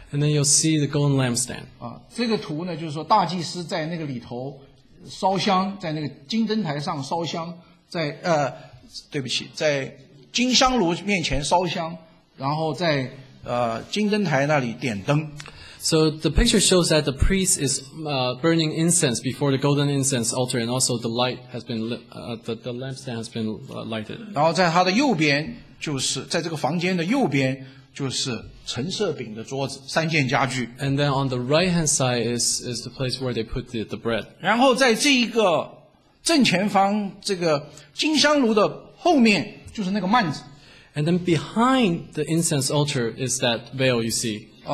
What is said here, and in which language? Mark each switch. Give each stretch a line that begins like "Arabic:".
English: And then you'll see the golden lampstand.
Chinese: 这个图呢，就是说大祭司在那个里头烧香，在那个金灯台上烧香，在对不起，在金香炉面前烧香，然后在金灯台那里点灯。
English: So the picture shows that the priest is burning incense before the golden incense altar, and also the light has been lit, the lampstand has been lighted.
Chinese: 然后在他的右边，就是在这个房间的右边，就是陈设饼的桌子，三件家具。
English: And then on the right hand side is the place where they put the bread.
Chinese: 然后在这一个正前方，这个金香炉的后面就是那个幔子。
English: And then behind the incense altar is that veil you see.